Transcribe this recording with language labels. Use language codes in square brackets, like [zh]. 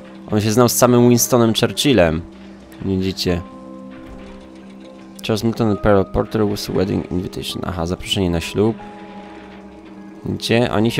[pl] On się znał z samym Winstonem Churchillem. Widzicie. [en] Charles Milton and Pearl Porter was wedding invitation. [pl] Aha, zaproszenie na ślub. Gdzie?